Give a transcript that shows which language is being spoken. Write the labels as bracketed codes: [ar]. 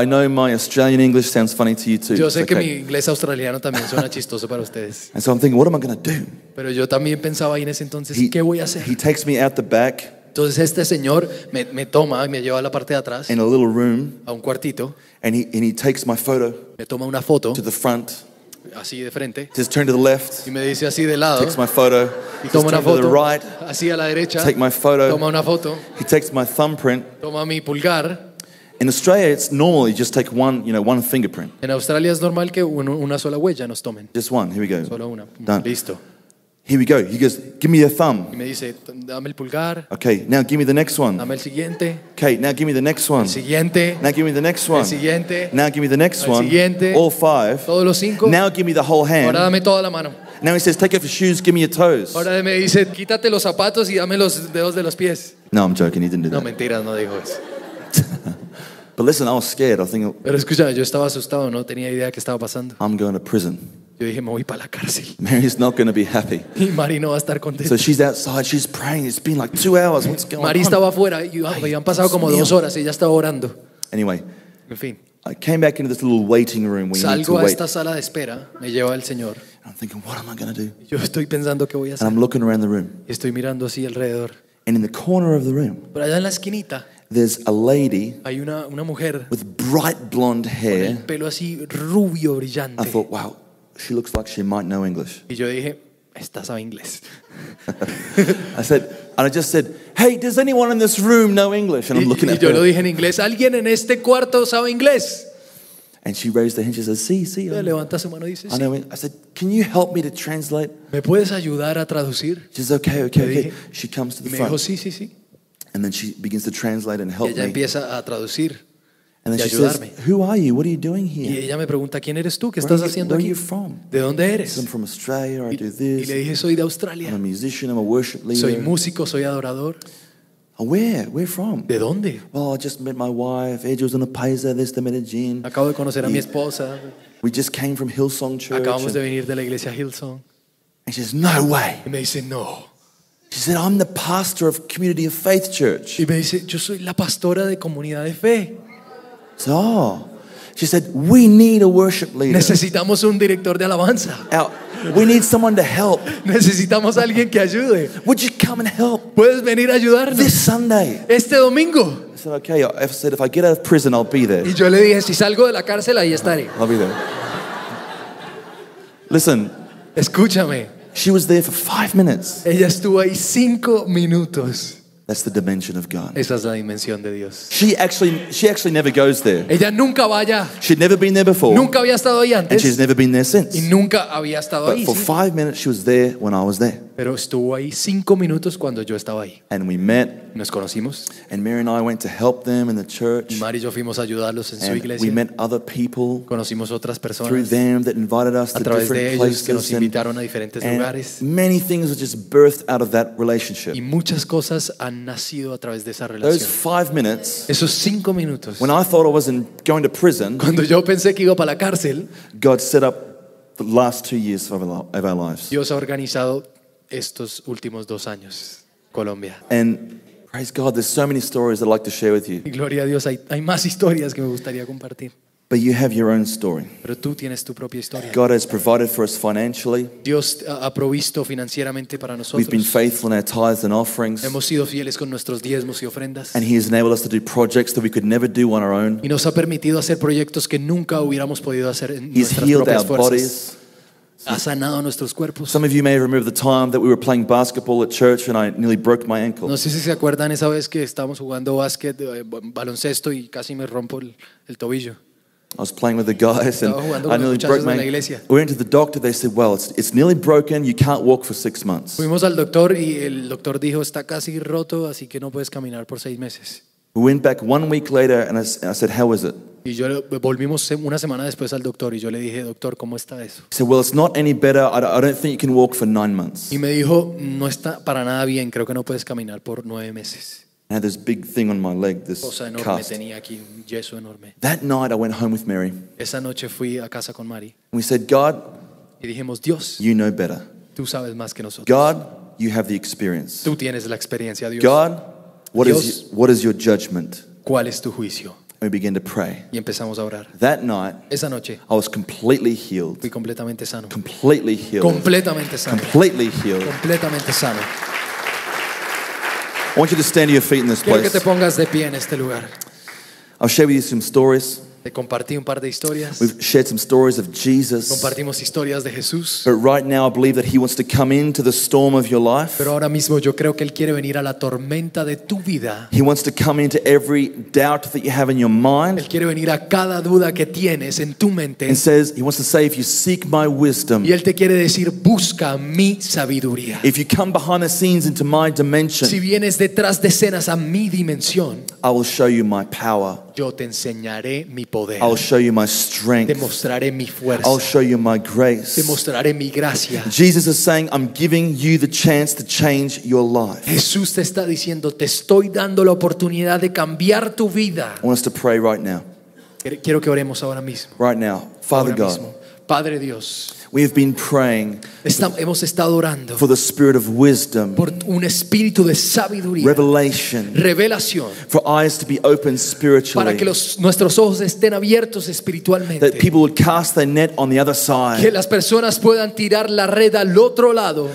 [en] I know my Australian English sounds funny to you too. [es] Yo sé que mi inglés australiano también suena chistoso para ustedes. [en] And so I'm thinking, what am I going to do? [es] Pero yo también pensaba ahí en ese entonces, ¿qué voy a hacer? [en] He takes me out the back. [es] Entonces este señor me toma y me lleva a la parte de atrás. [en] In a little room. [es] A un cuartito. [en] And he takes my photo. [es] Me toma una foto. [en] To the front. [es] Así de frente. [en] Just turn to the left. [es] Y me dice así de lado. [en] Takes my photo. [es] Y toma una foto. [en] To the right. [es] Así a la derecha. [en] Take my photo. [es] Toma una foto. [en] He takes my thumbprint. [es] Toma mi pulgar. [en] In Australia, it's normal you just take one, you know, one fingerprint. [es] En Australia es normal que una sola huella nos tomen. [en] Just one. Here we go. [es] Solo una. [en] Done. [es] Listo. [en] Here we go. He goes, give me your thumb. [es] Y me dice, dame el pulgar. [en] Okay, now give me the next one. [es] Dame el siguiente. [en] Okay, now give me the next one. [es] El siguiente. [en] Now give me the next one. [es] El siguiente. [en] Now give me the next [es] el [en] one. [es] Siguiente. [en] All five. [es] Todos los cinco. [en] Now give me the whole hand. [es] Ahora dame toda la mano. [en] Now he says, take off your shoes, give me your toes. [es] Ahora me dice, quítate los zapatos y dame los dedos de los pies. [en] No, I'm joking, he didn't do [es] no, [en] that. [es] No, mentiras, no dijo eso. [en] But listen, I was scared. I think. [es] Pero escucha, yo estaba asustado, no tenía idea qué estaba pasando. [en] I'm going to prison. [es] Yo dije, me voy para la cárcel. [en] Mary's not going to be happy. [es] Y Mary no va a estar contenta. [en] So she's outside, she's praying. It's been like 2 hours. What's going on? [es] Mary estaba afuera. Habían pasado como 2 horas. Ella estaba orando. [en] Anyway. [es] En fin. [en] I came back into this little waiting room where [es] salgo [en] you need to [es] a esta [en] wait. [es] Sala de espera. Me lleva el Señor. [en] And I'm thinking, what am I going to do? [es] Yo estoy pensando qué voy a hacer. [en] And I'm looking around the room. [es] Y estoy mirando así alrededor. [en] And in the corner of the room. [es] Pero allá en la esquinita. [en] There's a lady. [es] Hay una mujer. [en] With bright blonde hair. [es] Con el pelo así rubio brillante. [en] I thought, wow. She looks like she might know English. [es] Y yo dije, ¿esta sabe inglés? [en] I just said, hey, does anyone in this room know English? And I'm looking at her. [es] Y yo lo dije en inglés, ¿alguien en este cuarto sabe inglés? [en] And she raised her hand, she says, [es] sí, sí. Y levanta su mano y dice, sí. [en] I know English. I said, can you help me to translate? [es] ¿Me puedes ayudar a traducir? [en] She says, okay. [es] Dije, [en] she comes to the [es] me [en] front. [es] Me dijo, sí, sí, sí. [en] And then she begins to translate and help [es] y ella [en] me. [es] Ella empieza a traducir. [en] And then [es] ayudarme. [en] She says, "Who are you? What are you doing here?" [es] Y ella me pregunta, "¿Quién eres tú? ¿Qué estás haciendo aquí? [en] Where are you from? [es] ¿De dónde eres?" [en] I'm from Australia. I do this. [es] Y le dije, "Soy de Australia. [en] I'm a musician. I'm a worship leader. [es] Soy músico. Soy adorador." [en] Where from? [es] ¿De dónde? [en] Well, I just met my wife. [es] Ella [en] was in a paisa, this the Medellín. [es] Acabo de conocer a mi esposa. [en] We just came from Hillsong Church. [es] Acabamos de venir de la iglesia Hillsong. [en] And she says, no way. [es] Y me dice, no. [en] She said, I'm the pastor of Community of Faith Church. [es] Y me dice, yo soy la pastora de Comunidad de Fe. [en] So, she said, we need a worship leader. [es] Necesitamos un director de alabanza. [en] We need someone to help. [es] Necesitamos alguien que ayude. [en] Would you come and help? [es] ¿Puedes venir a ayudarnos? [en] This Sunday. [es] Este domingo. [en] I said, okay, if I get out of prison, I'll be there. [es] Y yo le dije, si salgo de la cárcel, ahí estaré. [en] I'll be there. Listen. [es] Escúchame. [en] She was there for 5 minutes. [es] Ella estuvo ahí 5 minutos. [en] That's the dimension of God. [es] Esa es la dimensión de Dios. [en] She actually never goes there. [es] Ella nunca va allá. [en] She'd never been there before. [es] Nunca había estado ahí antes. [en] And she's never been there since. [es] Y nunca había estado [en] But [es] ahí. [en] But for [es] ¿sí? [en] 5 minutes, she was there when I was there. [es] Pero estuvo ahí 5 minutos cuando yo estaba ahí. [en] And we met. [es] Nos conocimos. [en] And Mary and I went to help them in the church. [es] Mary y yo fuimos a ayudarlos en [en] and [es] su iglesia. [en] We met other people. [es] Conocimos otras personas. [en] Through them that invited us [es] a [en] to different [es] de ellos [en] places. [es] Que nos invitaron a diferentes [en] and [es] lugares. [en] Many things were just birthed out of that relationship. [es] Y muchas cosas han nacido a través de esa relación. [en] Those 5 minutes, [es] esos 5 minutos, [en] when I thought I was going to prison, [es] cuando yo pensé que iba para la cárcel, [en] God set up the last 2 years of our lives. [es] Dios ha organizado estos últimos 2 años, Colombia. [en] And praise God, there's so many stories I'd like to share with you. [es] Y gloria a Dios, hay más historias que me gustaría compartir. [en] But you have your own story. [es] Pero tú tienes tu propia historia. [en] God has provided for us financially. [es] Dios ha provisto financieramente para nosotros. [en] We've been faithful in our tithes and offerings. [es] Hemos sido fieles con nuestros diezmos y ofrendas. [en] And he has enabled us to do projects that we could never do on our own. [es] Y nos ha permitido hacer proyectos que nunca hubiéramos podido hacer en [en] He's [es] nuestras propias fuerzas. [en] Bodies. [es] Ha sanado nuestros cuerpos. [en] Some of you may remember the time that we were playing basketball at church and I nearly broke my ankle. [es] No sé si se acuerdan esa vez que estábamos jugando básquet, baloncesto y casi me rompo el tobillo. [en] I was playing with the guys and I nearly broke my ankle. We went to the doctor, they said, well, it's nearly broken, you can't walk for 6 months. [es] Fuimos al doctor y el doctor dijo, está casi roto, así que no puedes caminar por 6 meses. [en] We went back 1 week later and I said, how is it? [es] Y yo volvimos una semana después al doctor y yo le dije, doctor, ¿cómo está eso? [en] He said, well, it's not any better, I don't think you can walk for 9 months. [es] Y me dijo, no está para nada bien, creo que no puedes caminar por 9 meses. [en] I had this big thing on my leg, this cast. [es] Tenía aquí, un yeso enorme. [en] That night I went home with Mary. [es] Esa noche fui a casa con Mary. [en] We said, God, [es] y dijimos, Dios, [en] you know better. [es] Tú sabes más que nosotros. [en] God, you have the experience. [es] Tú tienes la experiencia, Dios. [en] God, what is your judgment? [es] ¿Cuál es tu juicio? [en] We began to pray. [es] Y empezamos a orar. [en] That night, [es] esa noche, [en] I was completely healed. [es] Fui completamente sano. [en] Completely healed. [es] Completamente sano. [en] Completely healed. [es] Completamente sano. [en] I want you to stand to your feet in this place. [es] Quiero que te pongas de pie en este lugar. [en] I'll share with you some stories. [es] Te compartí un par de historias. [en] We've shared some stories of Jesus. [es] Compartimos historias de Jesús. [en] But right now I believe that he wants to come into the storm of your life. [es] Pero ahora mismo yo creo que él quiere venir a la tormenta de tu vida. [en] He wants to come into every doubt that you have in your mind. [es] Él quiere venir a cada duda que tienes en tu mente. [en] And says, he wants to say, if you seek my wisdom. [es] Y él te quiere decir, busca mi sabiduría. [en] If you come behind the scenes into my dimension. [es] Si vienes detrás de escenas a mi dimensión. [en] I will show you my power. [es] Yo te enseñaré mi poder. [en] I'll show you my strength. [es] Te mostraré mi fuerza. [en] I'll show you my grace. [es] Te mostraré mi gracia. [en] Jesus is saying, I'm giving you the chance to change your life. [es] Jesús te está diciendo, te estoy dando la oportunidad de cambiar tu vida. [en] I want us to pray right now. [es] Quiero que oremos ahora mismo. [en] Right now, Father God. [es] Padre Dios. [en] We have been praying [es] hemos estado orando [en] for the spirit of wisdom, [es] por un espíritu de sabiduría, [en] revelation, [es] revelación, [en] for eyes to be opened spiritually, [es] para que nuestros ojos estén abiertos espiritualmente, [en] that people would cast their net on the other side, [es] que las personas puedan tirar la red al otro lado,